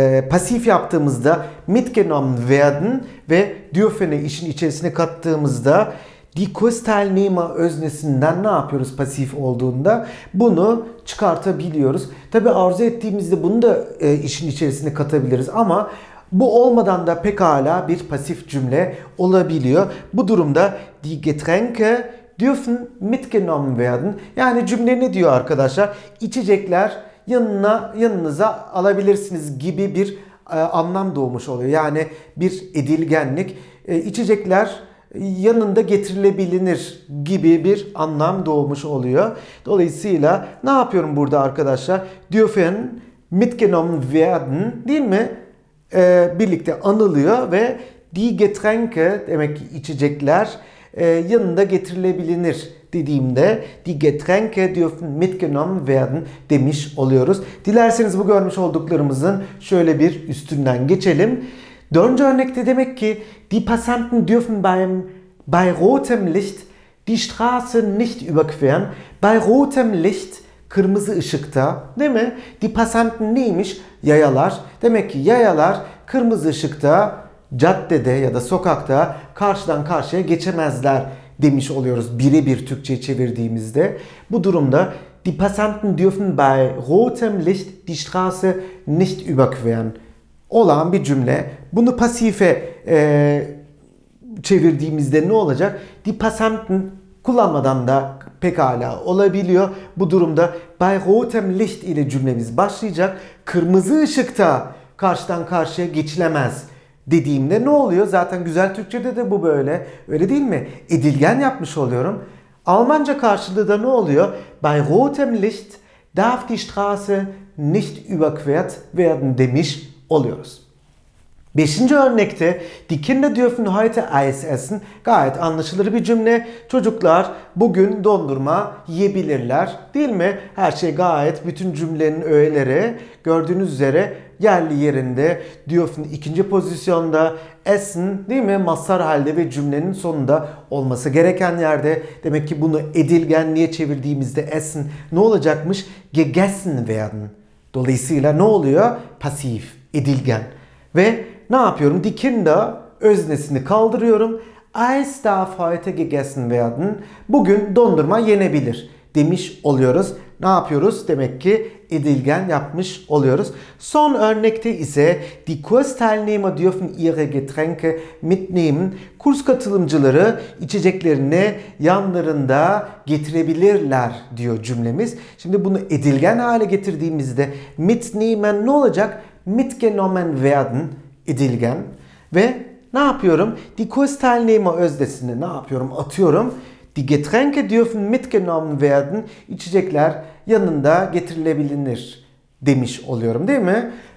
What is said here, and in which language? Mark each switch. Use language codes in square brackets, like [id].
[tr] Pasif yaptığımızda [de] mitgenommen werden [tr] ve dürfen'i işin içerisine kattığımızda [de] die Kursteilnehmer [tr] öznesinden ne yapıyoruz pasif olduğunda? Bunu çıkartabiliyoruz. Tabi arzu ettiğimizde bunu da işin içerisine katabiliriz ama bu olmadan da pekala bir pasif cümle olabiliyor. Bu durumda [de] die Getränke dürfen mitgenommen werden. [tr] Yani cümle ne diyor arkadaşlar? İçecekler yanınıza alabilirsiniz gibi bir anlam doğmuş oluyor. Yani bir edilgenlik. İçecekler yanında getirilebilir gibi bir anlam doğmuş oluyor. Dolayısıyla ne yapıyorum burada arkadaşlar? [de] Dürfen mitgenommen werden, [tr] değil mi? Birlikte anılıyor ve [de] die Getränke, [tr] demek ki içecekler yanında getirilebilir dediğimde [de] die Getränke dürfen mitgenommen werden [tr] demiş oluyoruz. Dilerseniz bu görmüş olduklarımızın şöyle bir üstünden geçelim. Dördüncü örnekte demek ki [de] die Passanten dürfen bei rotem Licht die Straße nicht überqueren. Bei rotem Licht [tr] kırmızı ışıkta, değil mi? [de] Die Passanten [tr] neymiş? Yayalar. Demek ki yayalar kırmızı ışıkta caddede ya da sokakta karşıdan karşıya geçemezler demiş oluyoruz birebir Türkçe'ye çevirdiğimizde. Bu durumda [de] die Passanten dürfen bei rotem Licht die Straße nicht überqueren [tr] olan bir cümle. Bunu pasife çevirdiğimizde ne olacak? [de] Die Passanten [tr] kullanmadan da pekala olabiliyor. Bu durumda [de] bei rotem Licht [tr] ile cümlemiz başlayacak. Kırmızı ışıkta karşıdan karşıya geçilemez dediğimde ne oluyor? Zaten güzel Türkçe'de de bu böyle. Öyle değil mi? Edilgen yapmış oluyorum. Almanca karşılığı da ne oluyor? [de] Bei rotem Licht darf die Straße nicht überquert werden [tr] demiş oluyoruz. Beşinci örnekte [de] die Kinder dürfen heute Eis essen. [tr] Gayet anlaşılır bir cümle. Çocuklar bugün dondurma yiyebilirler. Değil mi? Her şey gayet bütün cümlenin öğeleri gördüğünüz üzere yerli yerinde. Dürfen ikinci pozisyonda. Essen değil mi? Mazhar halde ve cümlenin sonunda olması gereken yerde. Demek ki bunu edilgenliğe çevirdiğimizde essen ne olacakmış? [de] Gegessen werden. [tr] Dolayısıyla ne oluyor? Pasif, edilgen. Ve ne yapıyorum? [de] Die Kinder [tr] öznesini kaldırıyorum. [de] Eis darf heute gegessen werden. [tr] Bugün dondurma yenebilir demiş oluyoruz. Ne yapıyoruz? Demek ki edilgen yapmış oluyoruz. Son örnekte ise [de] die Kursteilnehmer dürfen ihre Getränke mitnehmen. [tr] Kurs katılımcıları içeceklerini yanlarında getirebilirler diyor cümlemiz. Şimdi bunu edilgen hale getirdiğimizde mitnehmen ne olacak? [de] Mitgenommen werden. [tr] Edilgen. Ve ne yapıyorum? [de] Die Kursteilnehmer [tr] öznesini ne yapıyorum? Atıyorum. [de] Die Getränke dürfen mitgenommen werden. [tr] İçecekler yanında getirilebilir demiş oluyorum. Değil mi?